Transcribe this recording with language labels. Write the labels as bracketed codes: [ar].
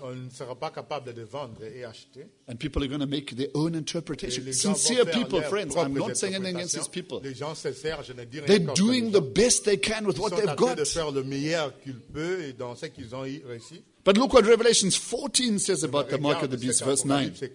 [fr] On ne sera pas capable de vendre et acheter. [en] And people are going to make their own interpretation. Sincere people, friends, I'm not saying anything against these people. [fr] Les gens sincères, je ne dis rien [en] they're doing the best they can with [fr] ils [en] what they've got. [fr] De faire le meilleur qu'ils peuvent et dans ce qu'ils ont réussi. [en] But look what Revelation 14 says about the mark of the beast, verse 9.